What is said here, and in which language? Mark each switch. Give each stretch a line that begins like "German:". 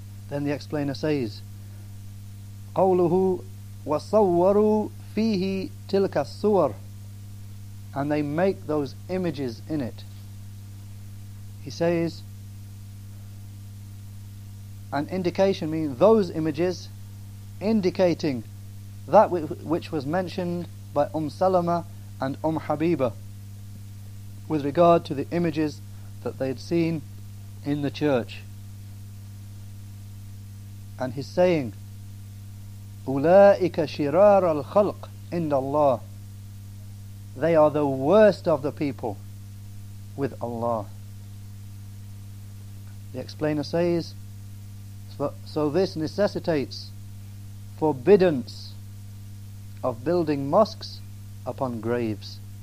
English: Then the explainer says,
Arabic: قَوْلُهُ وَصَوَّرُوا فِيهِ تِلْكَ السُّوَرُ.
English: And they make those images in it. He says, an indication, meaning those images, indicating that which was mentioned by Salama and Habiba, with regard to the images that they had seen in the church. And he's saying,
Arabic: أُولَٰئِكَ شِرَارَ الْخَلْقِ عِنْدَ اللَّهِ.
English: They are the worst of the people with Allah. The explainer says, so this necessitates forbiddance of building mosques upon graves.